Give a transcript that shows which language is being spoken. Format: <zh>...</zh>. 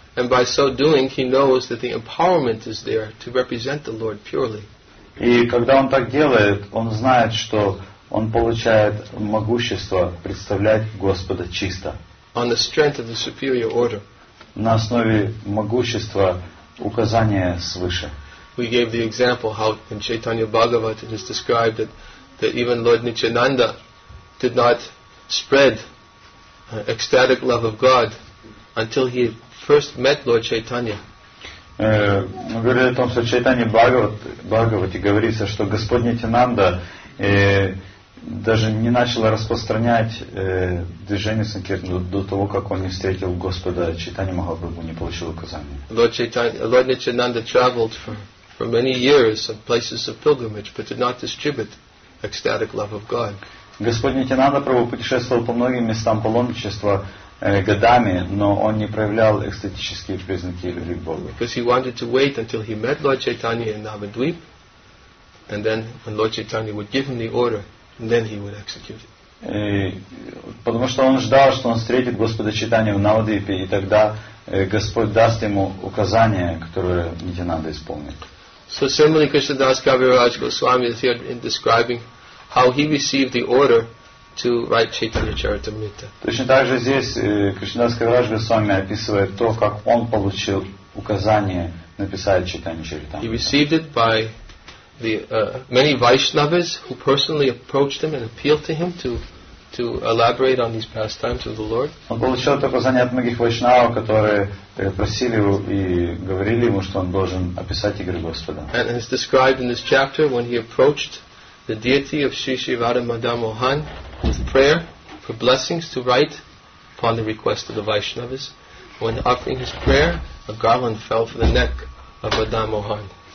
<en>And by so doing, he knows that the empowerment is there to represent the Lord purely.</en> <ru>И когда он так делает, он знает, что он получает могущество представлять Господа чисто.</ru> <en>On the strength of the superior order.</en> <ru>На основе могущества указания свыше.</ru> <en>We gave the example how in Chaitanya Bhagavata it is described that even Lord Nityananda did not spread ecstatic love of God until he first met Lord Chaitanya.</en> <ru>Мы говорили о том, что Чайтанья Бхагавате говорится, что Господь Нитянанда даже не начал распространять движение санкиртаны до того, как он не встретил Господа Чайтанья Махапрабху, не получил указания.</ru> <en>Lord Nityananda traveled for many years of places of pilgrimage, but did not distribute ecstatic love of God.</en> <ru>Господь Нитянанда Прабху путешествовал по многим местам паломничества годами, но он не проявлял экстатические признаки любви к Богу.</ru> <en>Because he wanted to wait until he met Lord Chaitanya in Navadvip, and then when Lord Chaitanya would give him the order, then he would execute it.</en> <ru>Потому что он ждал, что он встретит Господа Чайтанью в Навадвипе, и тогда Господь даст ему указание, которое Нитянанда исполнит.</ru> <en>So similarly, Krishnadas Kaviraj Goswami is here in describing how he received the order to write Chaitanya Charitamrita.</en> <ru>Точно так же здесь Кришнадас Кавираж Госвами описывает то, как он получил указание написать Чайтанья Чаритамриту.</ru> <en>He received it by the many Vaishnavas who personally approached him and appealed to him to elaborate on these pastimes of the Lord.</en> <ru>Он получил это указание от многих вайшнавов, которые просили и говорили ему, что он должен описать игры Господа.</ru> <en>And it's described in this chapter when he approached the deity of Sri Sri Radha Madan Mohan with prayer for blessings to write upon the request of the Vaishnavas. When offering his prayer, a garland fell for the neck of Madan Mohan.</en>